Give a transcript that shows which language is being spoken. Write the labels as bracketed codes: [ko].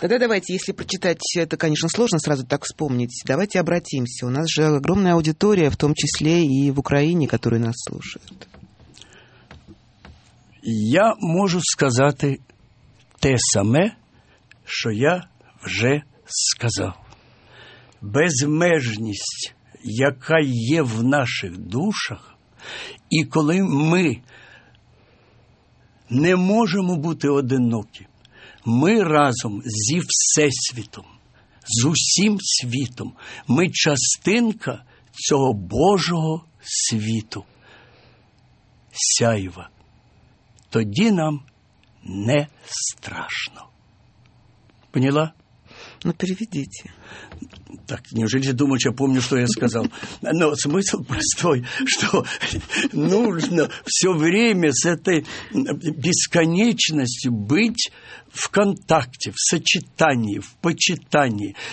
[ru] Тогда давайте, если прочитать, это, конечно, сложно сразу так вспомнить, давайте обратимся. У нас же огромная аудитория, в том числе и в Украине, которая нас слушает. Я могу сказать те самое, что я уже сказал. [uk] Безмежність, яка є в наших душах, і коли ми не можемо бути одинокі, ми разом зі Всесвітом, з усім світом, ми частинка цього Божого світу, сяйва, тоді нам не страшно. [ru] Поняла? Ну, переведите. Так, неужели ты думаешь, я помню, что я сказал? Но смысл простой, что нужно все время с этой бесконечностью быть в контакте, в сочетании, в почитании.